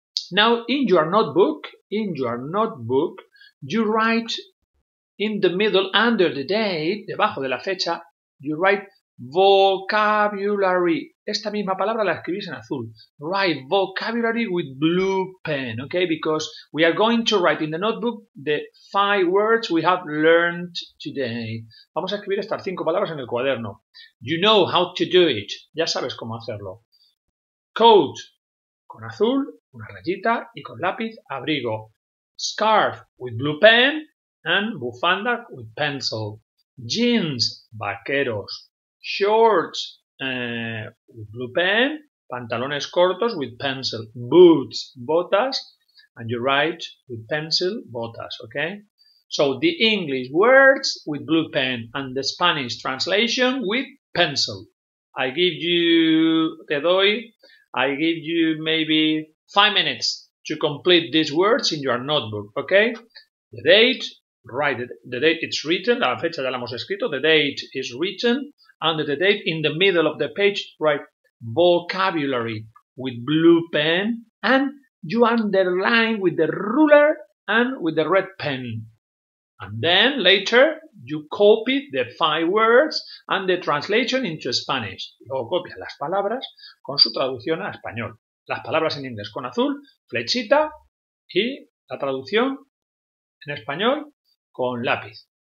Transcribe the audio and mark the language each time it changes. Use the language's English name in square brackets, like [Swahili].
[English] Now, in your notebook, you write in the middle, under the date, [Spanish] debajo de la fecha, [English] you write vocabulary. [Spanish] Esta misma palabra la escribís en azul. [English] Write vocabulary with blue pen, okay? Because we are going to write in the notebook the five words we have learned today. [Spanish] Vamos a escribir estas cinco palabras en el cuaderno. [English] You know how to do it. [Spanish] Ya sabes cómo hacerlo. Coat, con azul, una rayita, y con lápiz, abrigo. [English] Scarf, with blue pen, and bufanda, with pencil. Jeans, vaqueros. Shorts, with blue pen, pantalones cortos with pencil, boots, botas, and you write with pencil, botas, okay? So the English words with blue pen and the Spanish translation with pencil. I give you maybe 5 minutes to complete these words in your notebook, okay? The date, write the date, it's written, [Spanish] la fecha ya la hemos escrito, [English] the date is written. Under the date, in the middle of the page, write vocabulary with blue pen and you underline with the ruler and with the red pen. And then later, you copy the five words and the translation into Spanish. [Spanish] Luego copias las palabras con su traducción a español. Las palabras en inglés con azul, flechita y la traducción en español con lápiz.